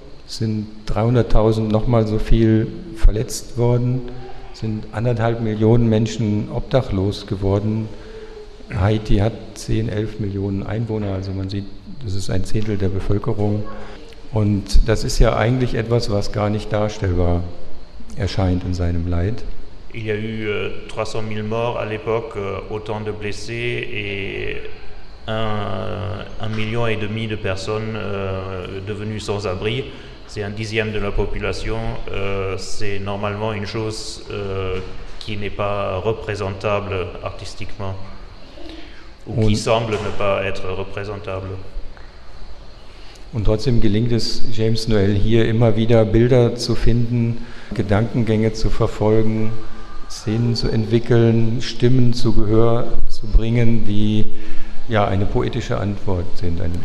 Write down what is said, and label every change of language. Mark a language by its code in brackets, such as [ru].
[de] Sind 300.000 nochmal so viel verletzt worden, sind 1,5 Millionen Menschen obdachlos geworden. Haiti hat 10, 11 Millionen Einwohner, also man sieht, das ist ein Zehntel der Bevölkerung. Und das ist ja eigentlich etwas, was gar nicht darstellbar erscheint in seinem Leid. [fr] Il y a eu 300.000 morts à l'époque, autant de blessés et un million et demi de personnes devenues sans abri. C'est un dixième de la population, c'est normalement une chose qui n'est pas représentable artistiquement ou qui semble ne pas être représentable. [de] Und trotzdem gelingt es James Noël hier immer wieder Bilder zu finden, Gedankengänge zu verfolgen, Szenen zu entwickeln, Stimmen zu Gehör zu bringen, die ja eine poetische Antwort sind.